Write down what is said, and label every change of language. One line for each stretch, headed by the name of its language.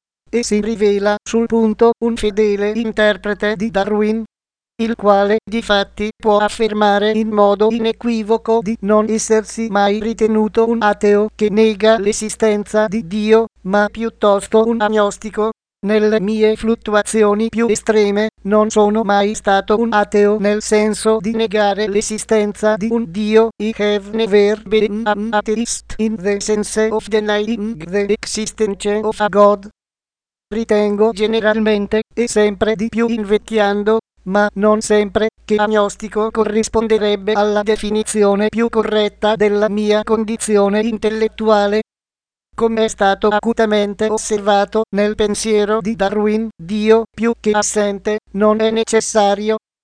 Italian: E si rivela sul punto un fedele interprete di Darwin, il quale difatti può affermare in modo inequivoco di non essersi mai ritenuto un ateo che nega l'esistenza di Dio, ma piuttosto un agnostico. Nelle mie fluttuazioni più estreme, non sono mai stato un ateo nel senso di negare l'esistenza di un Dio.
English: I have never been an atheist in the sense of denying the existence of a God.
Italian: Ritengo generalmente, e sempre di più invecchiando, ma non sempre, che agnostico corrisponderebbe alla definizione più corretta della mia condizione intellettuale. Come è stato acutamente osservato nel pensiero di Darwin, Dio, più che assente, non è necessario.